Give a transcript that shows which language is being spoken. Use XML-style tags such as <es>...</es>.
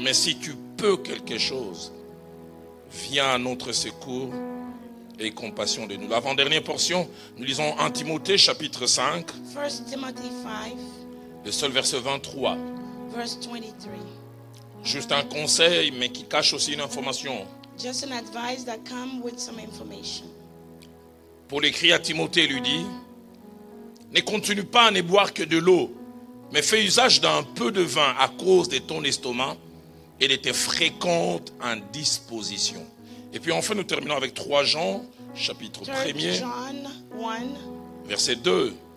<fr>Mais si tu peux quelque chose, viens à notre secours et compassion de nous. L'avant-dernière portion, nous lisons 1 Timothée chapitre 5. 1 Timothée 5. Le seul verset 23.</fr> <en>Verse 23.</en> <fr>Juste un conseil, mais qui cache aussi une information.</fr> <en>Just an advice that comes with some information.</en> <fr>Paul écrit à Timothée, lui dit, ne continue pas à ne boire que de l'eau, mais fais usage d'un peu de vin à cause de ton estomac et de tes fréquentes indispositions. Et puis enfin, nous terminons avec 3 Jean, chapitre 1, verset 2.</fr>